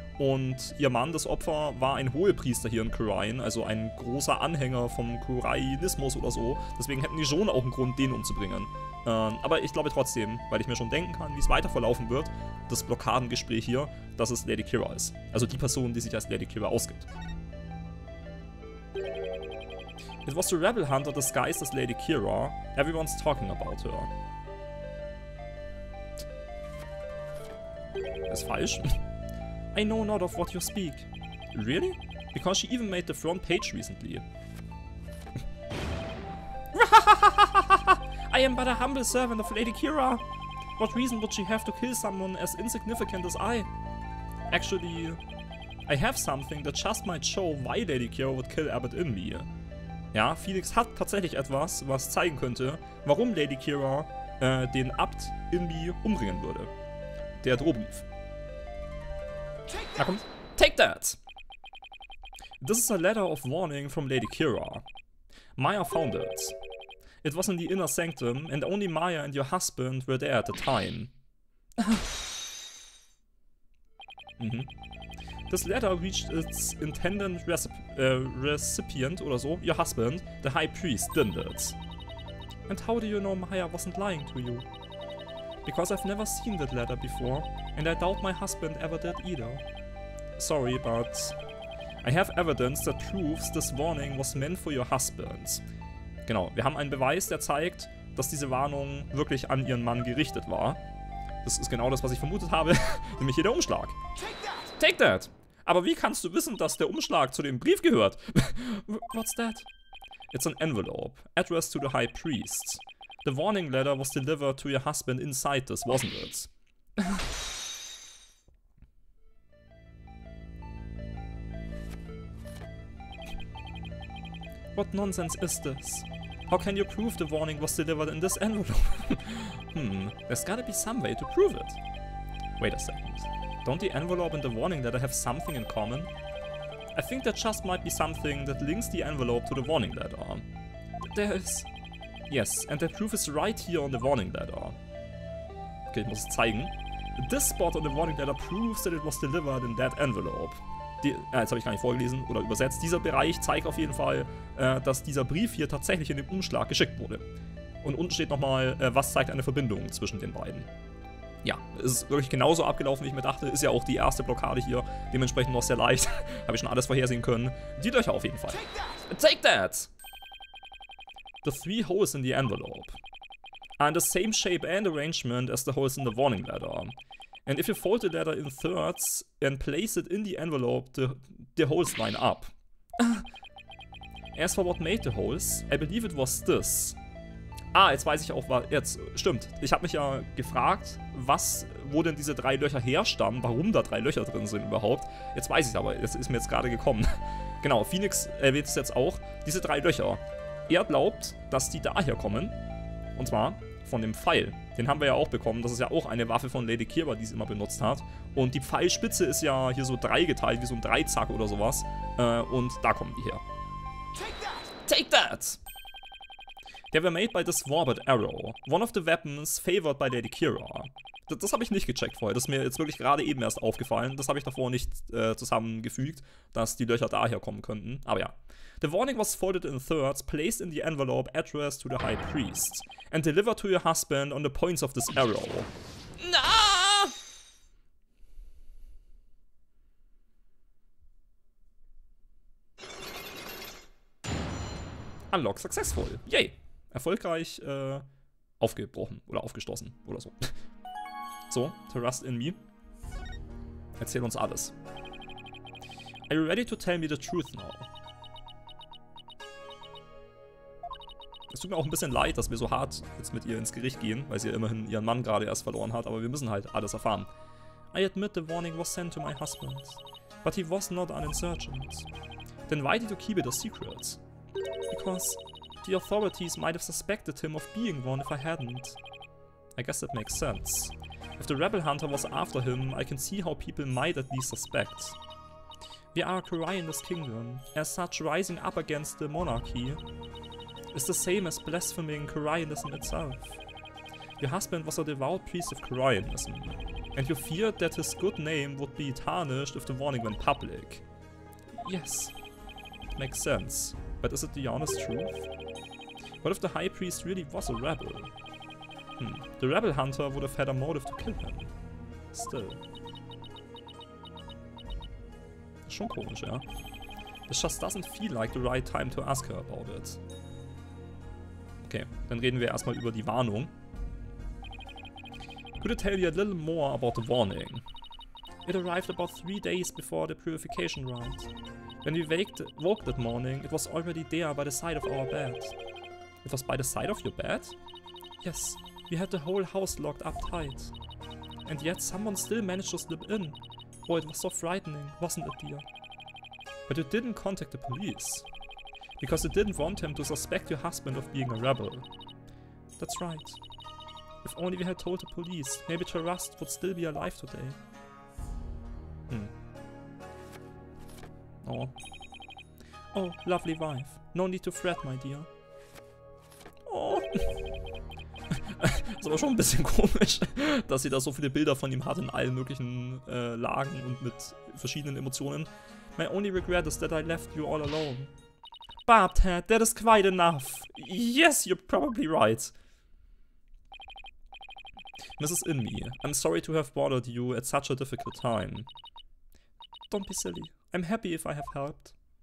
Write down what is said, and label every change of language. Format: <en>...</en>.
<de>Und ihr Mann, das Opfer, war ein Hohepriester hier in Kurayin, also ein großer Anhänger vom Kurayinismus oder so. Deswegen hätten die schon auch einen Grund, den umzubringen. Aber ich glaube trotzdem, weil ich mir schon denken kann, wie es weiter verlaufen wird, das Blockadengespräch hier, dass es Lady Kira ist. Also die Person, die sich als Lady Kira ausgibt.</de> <en>It was the Rebel Hunter disguised as Lady Kira. Everyone's talking about her.</en> <de>Ist falsch?</de> <en>I know not of what you speak. Really? Because she even made the front page recently. I am but a humble servant of Lady Kira. What reason would she have to kill someone as insignificant as I? Actually, I have something that just might show why Lady Kira would kill Abbott Inmi.</en> <de>Ja, Phoenix hat tatsächlich etwas, was zeigen könnte, warum Lady Kira den Abt Inmi umbringen würde. Der Drohbrief. Na komm,</de> <en>take that! This is a letter of warning from Lady Kira. Maya found it. It was in the inner sanctum, and only Maya and your husband were there at the time. This letter reached its intended recipient,</en> <de>oder so,</de> <en>your husband, the high priest, didn't it? And how do you know Maya wasn't lying to you? Because I've never seen that letter before, and I doubt my husband ever did either. Sorry, but I have evidence that proves this warning was meant for your husband.</en> <de>Genau, wir haben einen Beweis, der zeigt, dass diese Warnung wirklich an ihren Mann gerichtet war. Das ist genau das, was ich vermutet habe, nämlich hier der Umschlag.</de> <en>Take that! Take that!</en> <de>Aber wie kannst du wissen, dass der Umschlag zu dem Brief gehört?</de> <en>What's that? It's an envelope, addressed to the High Priest. The warning letter was delivered to your husband inside this, wasn't it? What nonsense is this? How can you prove the warning was delivered in this envelope? there's gotta be some way to prove it. Wait a second. Don't the envelope and the warning letter have something in common? I think there just might be something that links the envelope to the warning letter. There is. Yes, and the proof is right here on the warning letter. Okay,</en> <de>ich muss es zeigen.</de> <en>This spot on the warning letter proves that it was delivered in that envelope.</en> <de>Jetzt habe ich gar nicht vorgelesen oder übersetzt. Dieser Bereich zeigt auf jeden Fall, dass dieser Brief hier tatsächlich in den Umschlag geschickt wurde. Und unten steht nochmal, was zeigt eine Verbindung zwischen den beiden. Ja, es ist wirklich genauso abgelaufen, wie ich mir dachte. Ist ja auch die erste Blockade hier. Dementsprechend noch sehr leicht. Habe ich schon alles vorhersehen können. Die Löcher auf jeden Fall.</de> <en>Take that! The three holes in the envelope are the same shape and arrangement as the holes in the warning letter. And if you fold the letter in thirds and place it in the envelope, the holes line up. As for what made the holes, I believe it was this.</en> <de>Ah, jetzt weiß ich auch, was jetzt stimmt. Ich habe mich ja gefragt, wo denn diese drei Löcher herstammen, warum da drei Löcher drin sind überhaupt. Jetzt weiß ich aber, es ist mir jetzt gerade gekommen. Genau, Phoenix erwähnt es jetzt auch, diese drei Löcher. Er glaubt, dass die daher kommen, und zwar von dem Pfeil. Den haben wir ja auch bekommen. Das ist ja auch eine Waffe von Lady Kira, die sie immer benutzt hat. Und die Pfeilspitze ist ja hier so dreigeteilt, wie so ein Dreizack oder sowas. Und da kommen die her.</de> <en>Take that! Take that! They were made by this Warbird Arrow. One of the weapons favored by Lady Kira.</en> <de>Das habe ich nicht gecheckt vorher. Das ist mir jetzt wirklich gerade eben erst aufgefallen. Das habe ich davor nicht zusammengefügt, dass die Löcher daher kommen könnten. Aber ja.</de> <en>The warning was folded in thirds, placed in the envelope addressed to the High Priest, and delivered to your husband on the points of this arrow. Na! Unlock successful. Yay!</en> <de>Erfolgreich aufgebrochen oder aufgestoßen oder so.</de> <en>So, trust in me.</en> <de>Erzähl uns alles.</de> <en>Are you ready to tell me the truth now?</en> <de>Es tut mir auch ein bisschen leid, dass wir so hart jetzt mit ihr ins Gericht gehen, weil sie ja immerhin ihren Mann gerade erst verloren hat, aber wir müssen halt alles erfahren.</de> <en>I admit the warning was sent to my husband, but he was not an insurgent. Then why did you keep it a secret? Because the authorities might have suspected him of being one if I hadn't. I guess that makes sense. If the rebel hunter was after him, I can see how people might at least suspect. We are a cry in this kingdom, as such rising up against the monarchy is the same as blaspheming Karayanism itself. Your husband was a devout priest of Karayanism, and you feared that his good name would be tarnished if the warning went public. Yes. Makes sense. But is it the honest truth? What if the high priest really was a rebel? The rebel hunter would have had a motive to kill him. Still.</en> <de>Schon komisch, ja?</de> <en>This just doesn't feel like the right time to ask her about it.</en> <de>Okay, dann reden wir erstmal über die Warnung.</de> <en>Could I tell you a little more about the warning? It arrived about 3 days before the purification rite. When we woke that morning, it was already there by the side of our bed. It was by the side of your bed? Yes, we had the whole house locked up tight. And yet someone still managed to slip in. Boy, it was so frightening, wasn't it, dear? But you didn't contact the police. Because you didn't want him to suspect your husband of being a rebel. That's right. If only we had told the police, maybe Terrasse would still be alive today. Oh. Oh, lovely wife. No need to fret, my dear. Oh.</en> <de>Ist aber schon ein bisschen komisch, dass sie da so viele Bilder von ihm hat in allen möglichen Lagen und mit verschiedenen Emotionen.</de> <en>My only regret is that I left you all alone. Barb, Ted, that is quite enough. Yes, you're probably right. Mrs. Inmi, I'm sorry to have bothered you at such a difficult time. Don't be silly. I'm happy if I have helped.</en>